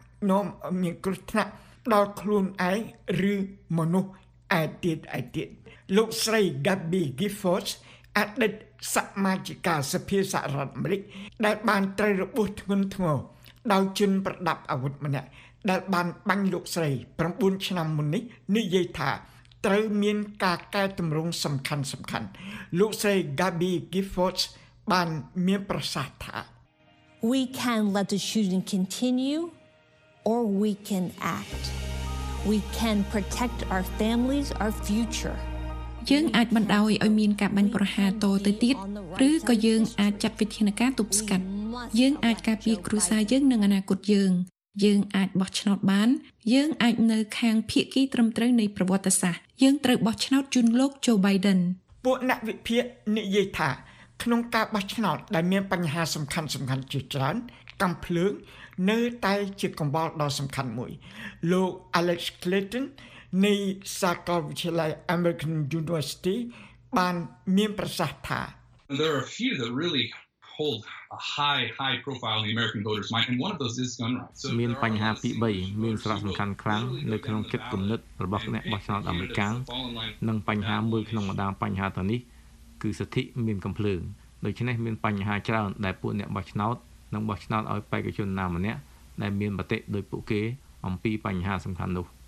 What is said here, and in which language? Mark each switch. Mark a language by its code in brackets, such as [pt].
[km] នុមមានគ្រោះថ្នាក់ដល់ខ្លួនឯងឬមនុស្សអតីតលោកស្រី Gabby Giffords អតីតសមាជិកាសភាសហរដ្ឋអាមេរិកដែលបានត្រូវរបួសធ្ងន់ធ្ងរដោយជនប្រដាប់អាវុធម្នាក់ដែលបានបាញ់លោកស្រី9ឆ្នាំមុននេះនិយាយថាត្រូវមានការកែតម្រង់សំខាន់លោកស្រី Gabby Giffords បានមានប្រសាសន៍ថា [en] We can let the shooting continue or we can act. We can protect our families, our future. [km] យើងអាចបណ្ដោយឲ្យមានការបាញ់ប្រហារតទៅទៀតឬក៏យើងអាចចាត់វិធានការទប់ស្កាត់យើងអាចការពារគ្រួសារយើងនិងអនាគតយើងយើងអាចបោះឆ្នោតបានយើងអាចនៅខាងភាគីត្រឹមត្រូវនៃប្រវត្តិសាស្ត្រយើងត្រូវបោះឆ្នោតជូនលោក Joe Biden ពួកអ្នកវិភាគនិយាយថាក្នុងការបោះឆ្នោតដែលមានបញ្ហាសំខាន់ជាច្រើនកំភ្លើងនៅតែជាកង្វល់ដ៏សំខាន់មួយលោក Alex Clinton នៃសាកលវិទ្យាល័យ American University បានមានប្រសាសន៍ថា [en] There are a few that really hold a high profile in the American voters mind and one of those is gun rights [km] មានបញ្ហាទី3មានសារៈសំខាន់ខ្លាំងនៅក្នុងចិត្តគំនិតរបស់អ្នកបោះឆ្នោតអាមេរិកនិងបញ្ហាមួយក្នុងម្ដងបញ្ហាទៅនេះគឺសិទ្ធិមានកំភ្លើងដូច្នេះមានបញ្ហាច្រើនដែលពួកអ្នកបោះឆ្នោតនឹងបោះឆ្នោតឲ្យបេក្ខជនណាម្នាក់ដែលមានមតិដោយពួកគេអំពីបញ្ហាសំខាន់នោះ